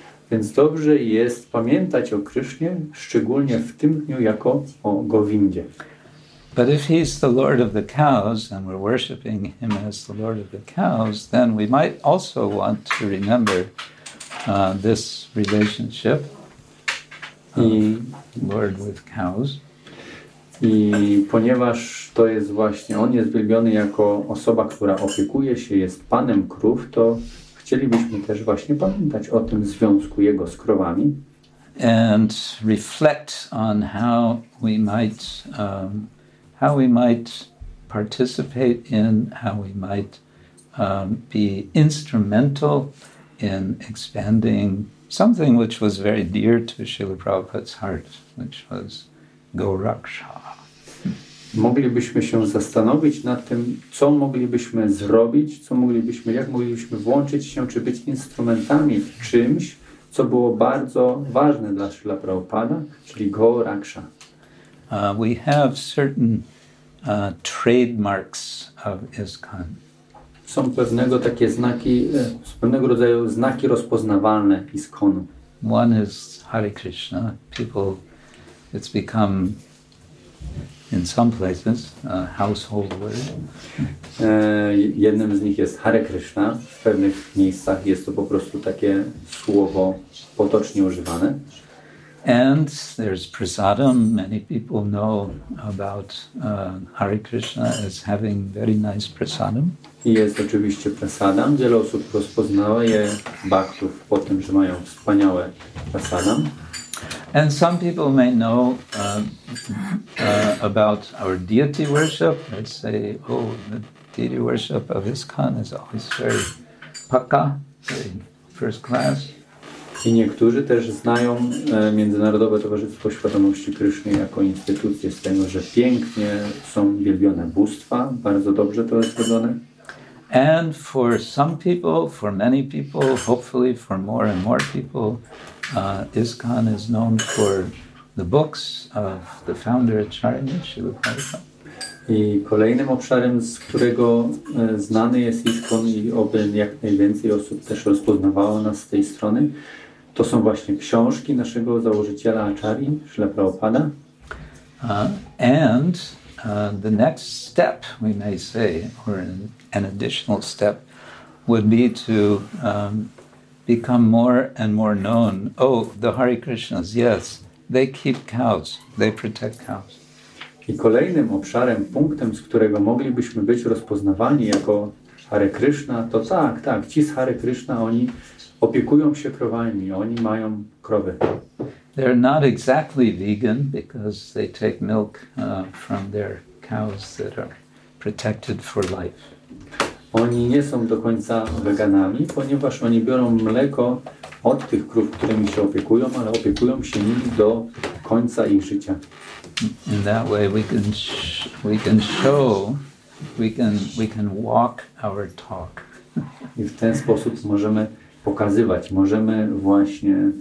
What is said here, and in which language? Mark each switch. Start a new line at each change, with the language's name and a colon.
Polish: Więc dobrze jest pamiętać o Krishnie, szczególnie w tym dniu, jako o Govindzie.
English: But if he's the Lord of the cows and we're worshiping him as the Lord of the cows, then we might also want to remember this relationship Lord with cows.
Polish: I ponieważ to jest właśnie, on jest wybrany jako osoba, która opiekuje się, jest panem krów, to chcielibyśmy też właśnie pamiętać o tym związku jego z krowami.
English: And reflect on how we might participate in, how we might be instrumental in expanding something which was very dear to Srila Prabhupada's heart, which was Goraksha.
Polish: Moglibyśmy się zastanowić nad tym, co moglibyśmy zrobić, co moglibyśmy, jak moglibyśmy włączyć się, czy być instrumentami w czymś, co było bardzo ważne dla Śrila Prabhupada, czyli Goraksha.
English: We have certain trademarks of ISKCON.
Polish: Są pewnego takie znaki, pewnego rodzaju znaki rozpoznawalne ISKCON-u.
English: One is Hare Krishna. People, it's become in some places, a household word.
Polish: Jednym z nich jest Hare Krishna. W pewnych miejscach jest to po prostu takie słowo potocznie używane.
English: And there's prasadam. Many people know about Hare Krishna as having very nice prasadam.
Polish: I jest oczywiście prasadam. Wiele osób rozpoznało je baktów po tym, że mają wspaniałe prasadam.
English: And some people may know about our deity worship. They say, oh, the deity worship of ISKCON is always very pakka, very first class.
Polish: I niektórzy też znają Międzynarodowe Towarzystwo Świadomości Kryszny jako instytucję z tego, że pięknie są wielbione bóstwa, bardzo dobrze to jest zrobione.
English: And for some people, for many people, hopefully for more and more people, ISKCON is known for the books of the founder Acharya Śrīla Prabhupāda.
Polish: I kolejnym obszarem, z którego znany jest ISKCON i oby jak najwięcej osób też rozpoznawało nas z tej strony, to są właśnie książki naszego założyciela Acharya Śrīla Prabhupāda.
English: And the next step, we may say, or an additional step, would be to become more and more known. Oh, the Hare Krishnas, yes, they keep cows, they protect cows.
Polish: I kolejnym obszarem, punktem, z którego moglibyśmy być rozpoznawani jako Hare Krishna, to tak, tak, ci z Hare Krishna, oni opiekują się krowami, oni mają krowy.
English: They're not exactly vegan because they take milk from their cows that are protected for life.
Polish: Oni nie są do końca weganami, ponieważ oni biorą mleko od tych krów, którymi się opiekują, ale opiekują się nimi do końca ich życia.
English: In that way we can walk our talk.
Polish: I w ten sposób możemy pokazywać, możemy właśnie.